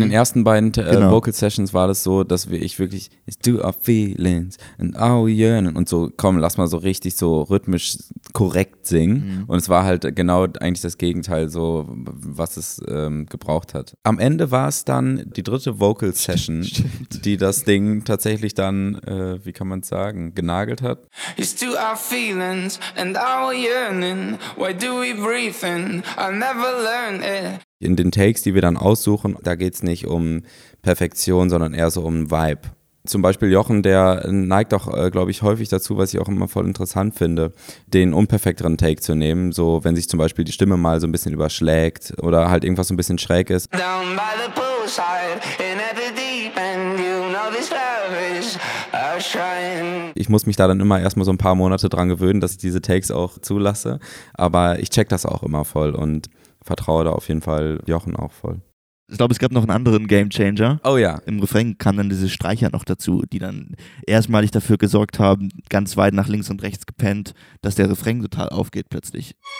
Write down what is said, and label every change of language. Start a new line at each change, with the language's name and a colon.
German: Bei den ersten beiden Vocal Sessions war das so, dass ich wirklich
English: it's do our feelings and our yearning
German: und so, komm, lass mal so richtig so rhythmisch korrekt singen. Mhm. Und es war halt genau eigentlich das Gegenteil so, was es gebraucht hat. Am Ende war es dann die dritte Vocal Session, die das Ding tatsächlich dann, wie kann man es sagen, genagelt hat.
English: It's do our feelings and our yearning, why do we breathe in, I'll never learn it.
German: In den Takes, die wir dann aussuchen, da geht es nicht um Perfektion, sondern eher so um Vibe. Zum Beispiel Jochen, der neigt auch, glaube ich, häufig dazu, was ich auch immer voll interessant finde, den unperfekteren Take zu nehmen. So, wenn sich zum Beispiel die Stimme mal so ein bisschen überschlägt oder halt irgendwas so ein bisschen schräg ist.
English: Down by the poolside, in every deep end, you know this love is outshining.
German: Ich muss mich da dann immer erstmal so ein paar Monate dran gewöhnen, dass ich diese Takes auch zulasse. Aber ich check das auch immer voll und vertraue da auf jeden Fall Jochen auch voll. Ich glaube, es gab noch einen anderen Gamechanger. Oh ja. Im Refrain kam dann diese Streicher noch dazu, die dann erstmalig dafür gesorgt haben, ganz weit nach links und rechts gepennt, dass der Refrain total aufgeht plötzlich.